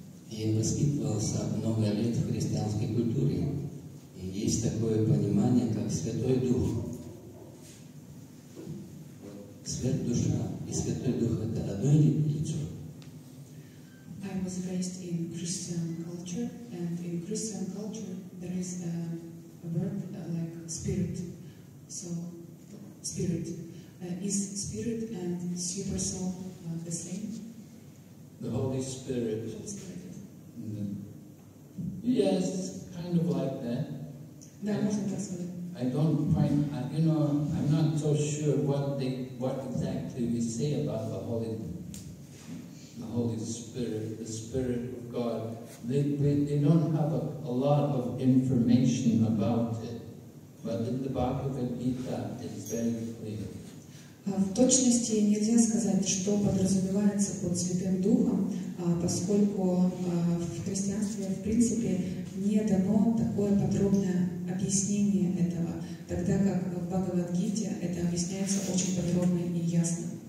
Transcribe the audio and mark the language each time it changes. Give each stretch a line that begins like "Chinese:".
Russian: Я воспитывался много лет в христианской культуре, и есть такое понимание, как Святой Дух. Свет Душа и Святой Дух — это одно или лицо?
English: I was raised in Christian culture, and in Christian culture there is a word like spirit. So, spirit. Is spirit and super soul the same? The Holy Spirit. Holy Spirit. Mm-hmm. Yes, kind of like that.
Russian: Да, можно так сказать.
English: I don't find, you know, I'm not so sure what exactly we say about the Holy Spirit, the Spirit of God. They don't have a lot of information about it, but in the Bhagavad Gita, it's very clear.
Russian: В точности нельзя сказать, что подразумевается под Святым Духом, поскольку в христианстве, в принципе, не дано такое подробное объяснение этого, тогда как в Бхагавад-гите это объясняется очень подробно и ясно.